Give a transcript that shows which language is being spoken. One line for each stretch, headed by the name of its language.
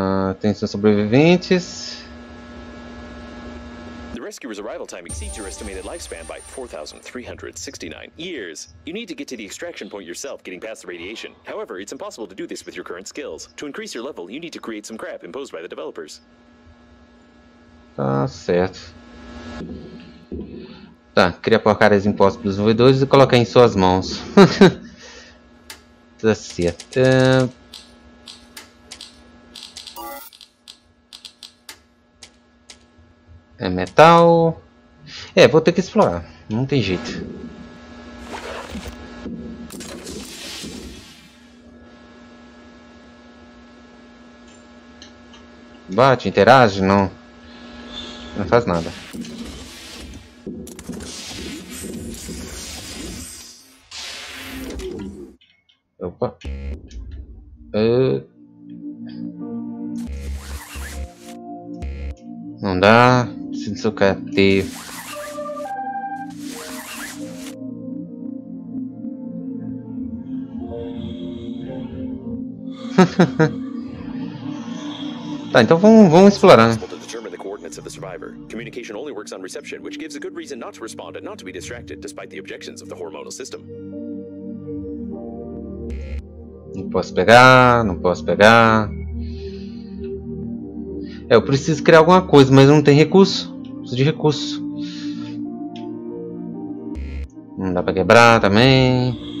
Portuguese: Atenção, sobreviventes.
English: Rescuer's arrival time exceeds your estimated lifespan by 4,369 years. You need to get to the extraction point yourself, getting past the radiation. However, it's impossible to do this with your current skills. To increase your level, you need to create some crap imposed by the developers.
Portuguese: Tá certo. Tá, cria porcarias impostas pelos desenvolvedores e coloca em suas mãos. Tá certo. É metal. É, vou ter que explorar. Não tem jeito. Bate, interage, não. Não faz nada. Opa. Não dá. Se não quer ter. Tá, então vamos explorar.
English: Of the survivor. Communication only works on reception, which gives a good reason not to respond and not to be distracted, despite the objections of the hormonal system.
Portuguese: Não posso pegar, não posso pegar. É, eu preciso criar alguma coisa, mas não tem recurso. Preciso de recurso. Não dá pra quebrar também.